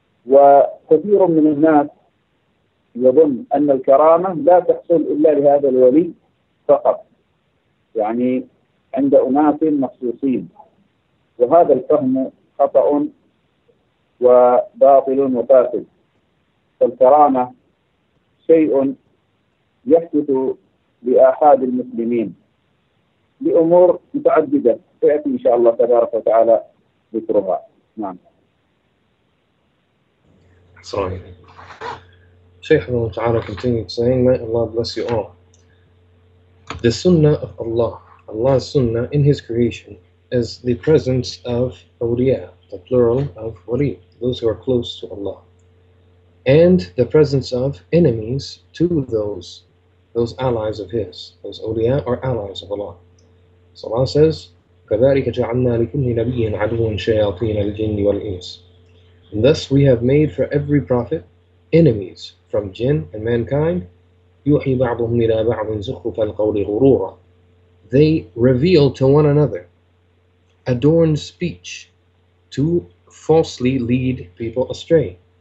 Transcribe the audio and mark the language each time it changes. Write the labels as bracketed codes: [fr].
[ar] وكثير من الناس يظن أن الكرامة لا تحصل إلا لهذا الولي فقط، يعني عند أناس مخصوصين، وهذا الفهم خطأ وباطل وفاسد. فالكرامة شيء يحدث لآحاد المسلمين لأمور متعددة سيأتي إن شاء الله تبارك وتعالى ذكرها. نعم. [en] Sorry. Shaykh Al-Ta'ala continued saying, may Allah bless you all. The Sunnah of Allah, Allah's Sunnah in His creation, is the presence of awliya, the plural of wali, those who are close to Allah, and the presence of enemies to those allies of His. Those awliya are allies of Allah. So Allah says, [ar] كَذَٰرِكَ جَعَلْنَا لِكُلِّ نَبِيٍ عَدُوٍ شَيَاطِينَ الْجِنِّ وَالْإِنسِ. [en] And thus we have made for every prophet enemies from jinn and mankind. [ar] يُحِي بَعْضُهُمْ إِلَى بَعْضٍ زُخْرُفَ الْقَوْلِ غُرُورًا. [en] They reveal to one another, adorn speech to falsely lead people astray.